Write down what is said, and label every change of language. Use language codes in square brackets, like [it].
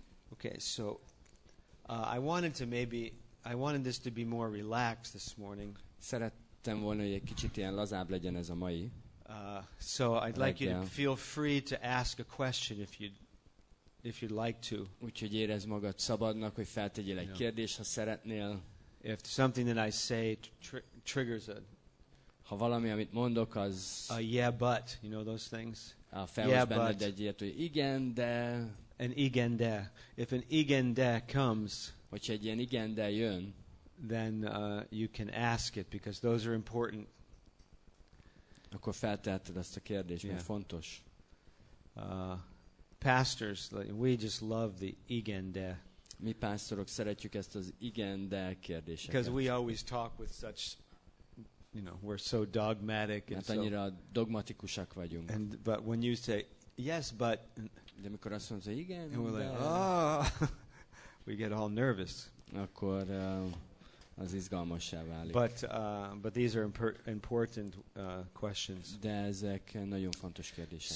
[en] Okay, so I wanted this to be more relaxed this morning. [hu] Szerettem volna, hogy egy kicsit ilyen lazább legyen ez a mai. [en] So I'd like you to feel free to ask a question if you'd like to. [hu] Úgyhogy érezd magad szabadnak, hogy feltegyél egy kérdést, ha szeretnél. [en] If something that I say triggers a [hu] ha valami, amit mondok, az [en] those things. [hu] A felhoz benned egyért, hogy igen, de. [en] An [hu] igen, de. [en] If an igen, de comes. [hu] Hogyha egy ilyen igen, de jön. [en] Then you can ask it, because those are important. [hu] Akkor feltelted ezt a kérdést, mert fontos. [en] Pastors, we just love the [hu] igen, de. Mi pásztorok szeretjük ezt az igen, de kérdéseket. [en] Because we always talk with such. We're so dogmatic and [hu] annyira dogmatikusak vagyunk. [en] And but when you say yes, but [hu] de mikor azt mondja igen, [en] and we're like, oh, we get all nervous. [hu] Akkor az izgalmassá válik. [en] But these are important questions. [hu] De ezek nagyon fontos kérdések.